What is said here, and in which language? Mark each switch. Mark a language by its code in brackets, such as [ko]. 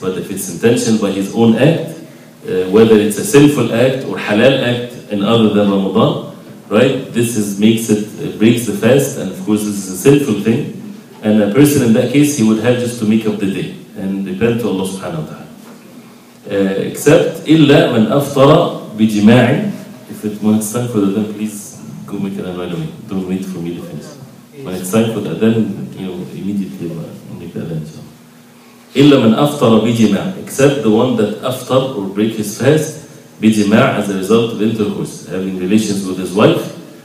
[en] But if it's intentional by his own act, whether it's a sinful act or halal act in other than Ramadan, right? It breaks the fast, and of course this is a sinful thing. And a person in that case, he would have just to make up the day and repent to Allah subhanahu wa ta'ala. Except [ar] إلا من أفطر بجماع. [en] If it when it's time for the then please go make an adhan. Don't wait for me to finish. When it's time for the then immediately make the adhan. [ar] إلا من أفطر بجماع. [en] Except the one that [ar] أفطر [en] or break his fast [ar] بجماع [en] as a result of intercourse, having relations with his wife.